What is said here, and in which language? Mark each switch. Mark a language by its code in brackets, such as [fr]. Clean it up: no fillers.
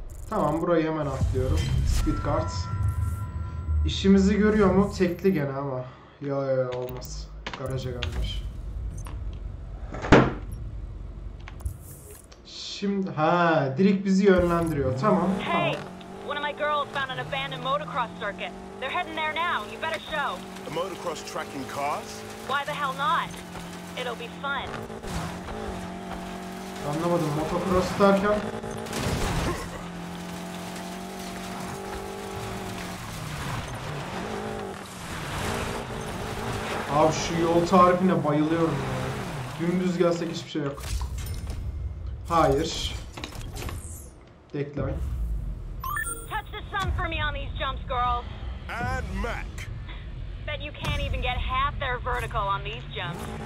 [tr] Tamam, burayı hemen atlıyorum. Speed cards. İşimizi görüyor mu? Tekli gene ama. Yo, olmaz. Garaja gelmiş. Şimdi ha, direkt bizi yönlendiriyor. Tamam. [en] Hey, one of my girls found an abandoned motocross circuit. They're heading there now. You better show. A motocross tracking cars? Why the hell not? It'll be fun. [tr] Anlamadım, motocross derken. Abi şu yol tarifine bayılıyorum ya. Dümdüz gelsek hiçbir şey yok. Hayır. Decline. [en] Touch the sun for me on these jumps, girls. And Mac. Bet you can't even get half their vertical on these jumps.